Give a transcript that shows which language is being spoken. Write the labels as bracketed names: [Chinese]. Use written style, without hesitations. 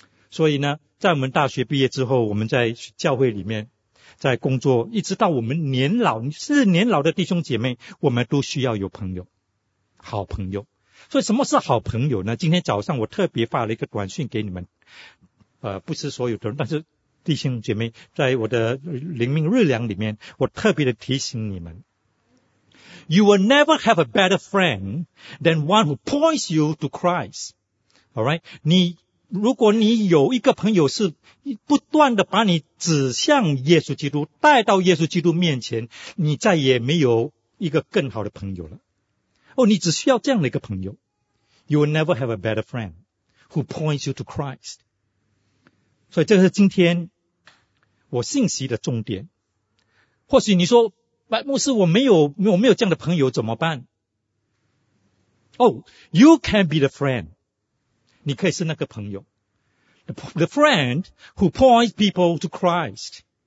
[Chinese] 所以呢，在我们大学毕业之后，我们在教会里面在工作，一直到我们年老，是年老的弟兄姐妹，我们都需要有朋友。好朋友。所以什么是好朋友呢？今天早上我特别发了一个短讯给你们。不是所有的人，但是弟兄姐妹，在我的灵命日粮里面，我特别的提醒你们。 [English] You will never have a better friend than one who points you to Christ. Alright? [Chinese] 你如果你有一个朋友是不断地把你指向耶稣基督，带到耶稣基督面前，你再也没有一个更好的朋友了。哦，你只需要这样的一个朋友。 [English] You will never have a better friend who points you to Christ. [Chinese] 所以这是今天我信息的重点。或许你说，白牧师，我没有这样的朋友怎么办？ [English] Oh, you can be the friend. [Chinese] 你可以是那个朋友。 [English] The friend who points people to Christ.